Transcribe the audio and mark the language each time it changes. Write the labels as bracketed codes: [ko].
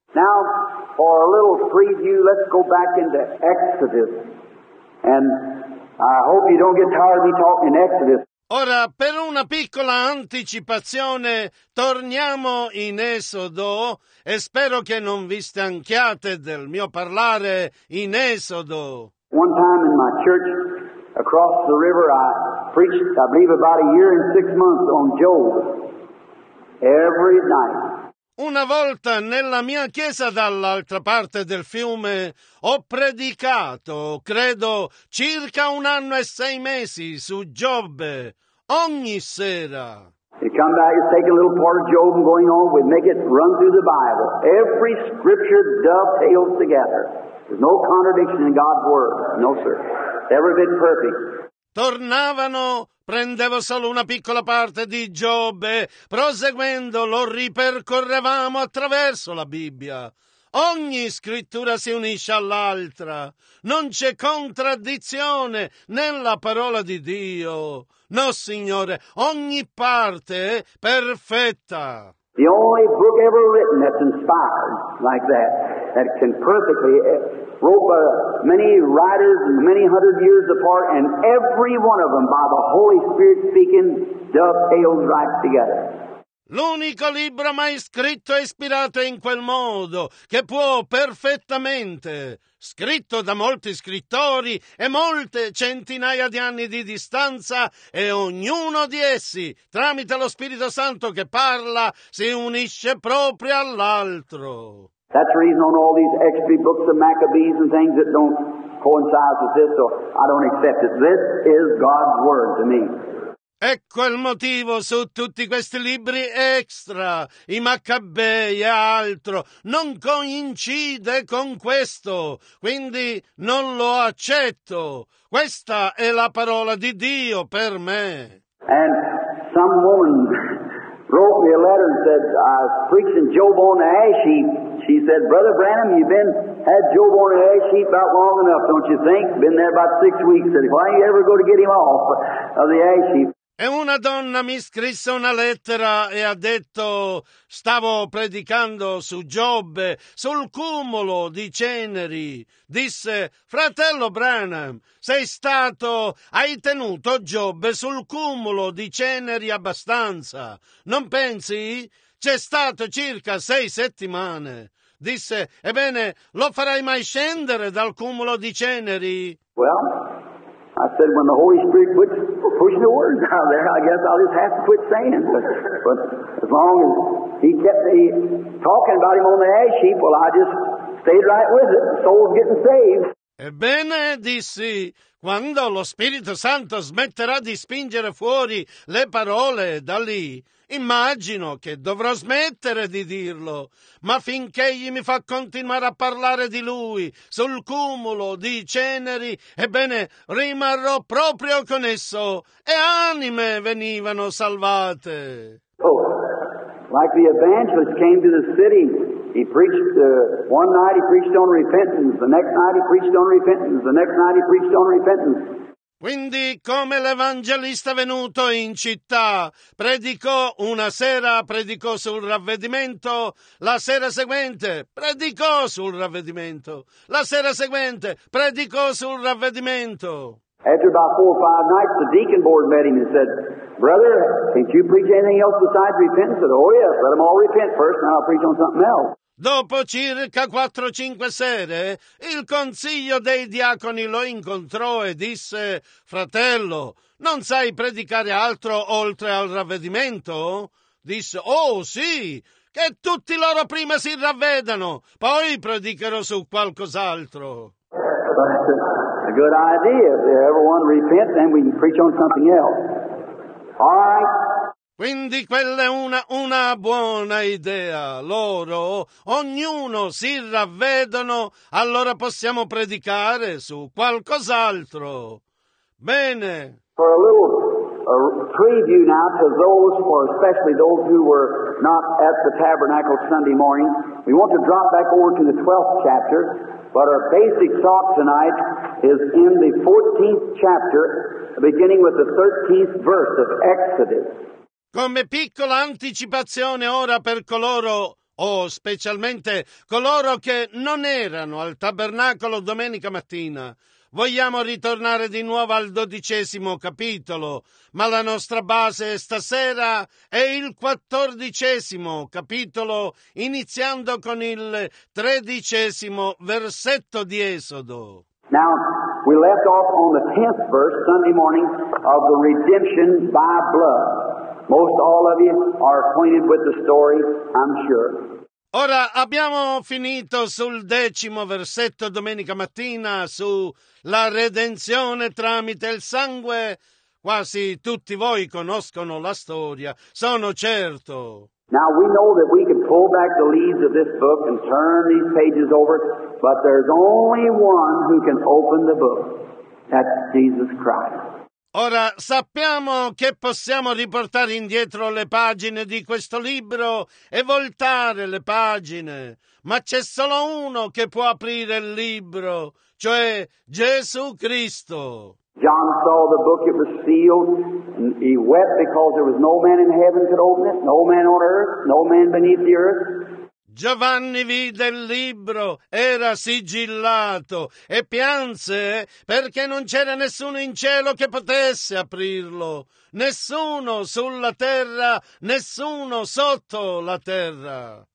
[en] Now, for a little preview, let's go back into Exodus. And I hope you don't get tired of me talking Exodus. [it] Ora, per una piccola anticipazione, torniamo in Esodo e spero che non vi stanchiate del mio parlare in Esodo. [en] One time in my church across the river, I preached, I believe, about a year and 6 months on Job every night. [it] Una volta nella mia chiesa dall'altra parte del fiume ho predicato, credo, circa un anno e 6 mesi su Giobbe, ogni sera. [en] You come back, you take a little part of Job and going on, we make it run through the Bible. Every scripture dovetails together. There's no contradiction in God's word, no sir. Never been perfect. [it] Tornavano, prendevo solo una piccola parte di Giobbe, proseguendo lo ripercorrevamo attraverso la Bibbia. Ogni scrittura si unisce all'altra. Non c'è contraddizione nella parola di Dio. No, Signore, ogni parte è perfetta. [en] The only book ever written that's inspired like that, that can perfectly... Wrote many writers many hundred years apart, and every one of them, by the Holy Spirit speaking, dovetails right together. [it] L'unico libro mai scritto e ispirato in quel modo, che può perfettamente, scritto da molti scrittori e molte centinaia di anni di distanza, e ognuno di essi, tramite lo Spirito Santo che parla, si unisce proprio all'altro. [en] That's the reason on all these extra books of Maccabees and things that don't coincide with this, so I don't accept it. This is God's word to me. [it] Ecco il motivo su tutti questi libri extra, i Maccabei e altro. Non coincide con questo, quindi non lo accetto. Questa è la parola di Dio per me. [en] And some woman wrote me a letter and said, I was preaching Job on the ash heap. She said, Brother Branham, you've been had Job on the ash heap about long enough, don't you think? Been there about 6 weeks. Said, why don't you ever go to get him off of the ash heap? [it] E una donna mi scrisse una lettera e ha detto, stavo predicando su Giobbe, sul cumulo di ceneri. Disse, fratello Branham, sei stato, hai tenuto Giobbe sul cumulo di ceneri abbastanza, non pensi? C'è stato circa 6 settimane. Disse, ebbene, lo farai mai scendere dal cumulo di ceneri? [en] Well, I said, when the Holy Spirit quits pushing the words out of there, I guess I'll just have to quit saying. But as long as he kept me talking about him on the ash heap, well, I just stayed right with it. The soul's getting saved. [it] Ebbene, dissi, quando lo Spirito Santo smetterà di spingere fuori le parole da lì, immagino che dovrò smettere di dirlo, ma finché egli mi fa continuare a parlare di lui sul cumulo di ceneri, ebbene, rimarrò proprio con esso, e anime venivano salvate. [en] Oh, like the evangelist came to the city. He preached one night, he preached on repentance, the next night he preached on repentance, the next night he preached on repentance. [it] Quindi, come l'evangelista venuto in città, predicò una sera, predicò sul ravvedimento, la sera seguente, predicò sul ravvedimento, la sera seguente, predicò sul ravvedimento. [en] After about four or five nights, the deacon board met him and said, brother, can't you preach anything else besides repentance? He said, oh yes, let them all repent first, and I'll preach on something else. [it] Dopo circa 4-5 sere, il consiglio dei diaconi lo incontrò e disse, fratello, non sai predicare altro oltre al ravvedimento? Disse, oh sì, che tutti loro prima si ravvedano, poi predicherò su qualcos'altro. [en] A good idea, if everyone repents, then we can preach on something else. All right. [it] Quindi quella è una buona idea. Loro, ognuno si ravvedono, allora possiamo predicare su qualcos'altro. Bene. [en] For a little preview now to those, or especially those who were not at the tabernacle Sunday morning, we want to drop back over to the 12th chapter, but our basic thought tonight is in the 14th chapter, beginning with the 13th verse of Exodus. [it] Come piccola anticipazione ora per coloro, o specialmente coloro che non erano al tabernacolo domenica mattina, vogliamo ritornare di nuovo al 12° capitolo, ma la nostra base stasera è il 14° capitolo, iniziando con il 13° versetto di Esodo. [en] Now, we left off on the 10th verse, Sunday morning, of the redemption by blood. Most all of you are acquainted with the story, I'm sure. [it] Ora abbiamo finito sul 10° versetto domenica mattina su la redenzione tramite il sangue. Quasi tutti voi conoscono la storia, sono certo. [en] Now we know that we can pull back the leaves of this book and turn these pages over, but there's only one who can open the book. That's Jesus Christ. [it] Ora sappiamo che possiamo riportare indietro le pagine di questo libro e voltare le pagine, ma c'è solo uno che può aprire il libro, cioè Gesù Cristo. [en] John saw the book, it was sealed, and he wept because there was no man in heaven could open it, no man on earth, no man beneath the earth. [it] Giovanni vide il libro, era sigillato, e pianse perché non c'era nessuno in cielo che potesse aprirlo. Nessuno sulla terra, nessuno sotto la terra.